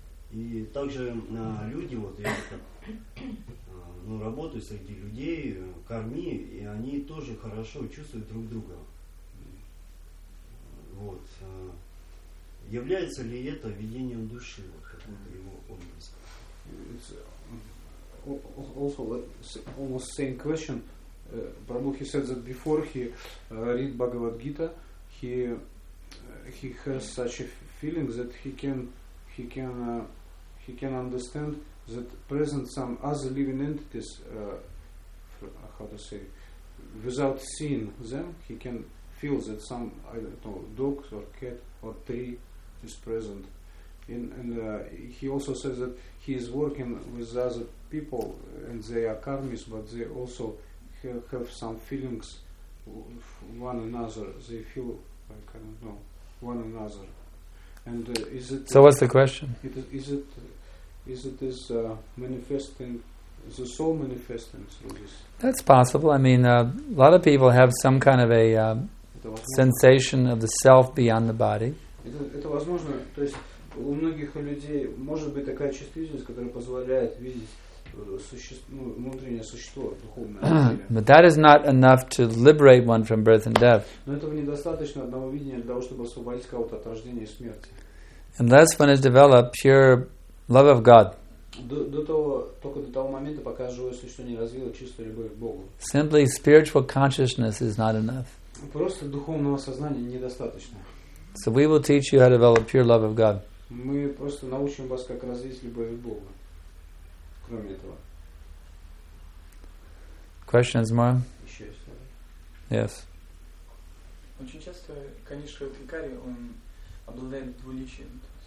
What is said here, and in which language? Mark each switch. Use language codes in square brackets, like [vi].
[ru] И также люди, вот я так, ну, работаю среди людей, корми, и они тоже хорошо чувствуют друг друга. Вот. Является ли это видением души, вот какой-то его образ? [en] It's also almost same question. Prabhu said that before he read Bhagavad Gita, he has such a feeling that he can understand that present some other living entities, how to say, without seeing them, he can feel that some, I don't know, dog or cat or tree is present. And he also says that he is working with other people and they are karmis, but they also have some feelings of one another. They feel, like, I don't know, one another. And is it... So what's the question? Is it manifesting, is the soul manifesting through this? That's possible. I mean, a lot of people have some kind of a sensation of the self beyond the body. [ru] Это возможно. То есть у многих людей может быть такая чувствительность, которая позволяет видеть внутреннее существо, духовное. [en] But that is not enough to liberate one from birth and death. [ru] Но этого недостаточно одного видения для того, чтобы освободить кого-то от рождения и смерти. [en] Unless one has developed pure love of God. [ru] До того момента, пока живое существо не развило чистую любовь к Богу. [en] Simply spiritual consciousness is not enough. [ru] Просто духовного сознания недостаточно. [en] So we will teach you how to develop pure love of God. [ru] Мы просто научим вас, как развить любовь к Богу. Кроме этого. [en] Questions more? [ru] Еще есть. [en] Yes. [ru] Очень часто, конечно, Трикари, он обладает двуличием.